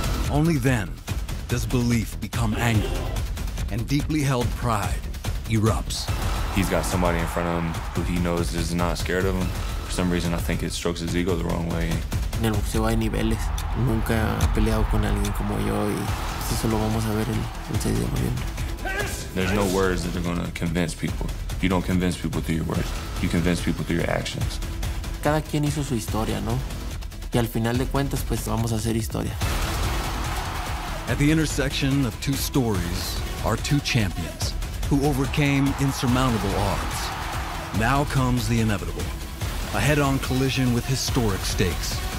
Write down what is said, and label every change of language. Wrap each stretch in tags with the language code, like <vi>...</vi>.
<en>Only then does belief become anger, and deeply held pride erupts. He's got somebody in front of him who he knows is not scared of him. For some reason, I think it strokes his ego the wrong way.</en> <es>En el boxeo hay niveles. Nunca he peleado con alguien como yo, y eso lo vamos a ver el 6 de noviembre.</es> <en>There's no words that are gonna convince people. You don't convince people through your words. You convince people through your actions.</en> <es>Cada quien hizo su historia, ¿no? Y al final de cuentas, pues vamos a hacer historia.</es> <en>At the intersection of two stories are two champions who overcame insurmountable odds. Now comes the inevitable, a head-on collision with historic stakes.</en>